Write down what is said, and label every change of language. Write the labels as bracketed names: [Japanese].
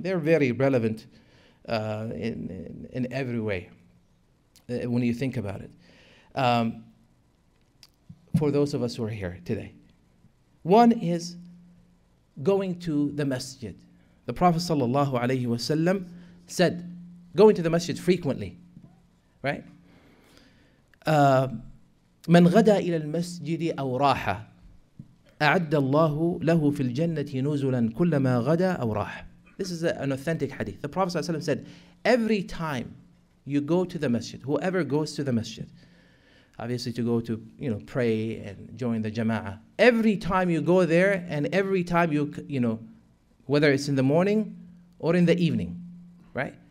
[English] They're very relevant in every way when you think about it. For those of us who are here today. One is going to the masjid. The Prophet sallallahu alayhi wa sallam said, going to the masjid frequently, right? [Arabic] من غدا إلى المسجد أو راح أعد الله له في الجنة نزلا كلما غدا أو راح. [English] This is an authentic hadith. The Prophet sallallahu alayhi wa sallam said, every time you go to the masjid, whoever goes to the masjid, obviously to go to, you know, pray and join the jama'ah, every time you go there and every time you, you know, whether it's in the morning or in the evening, right?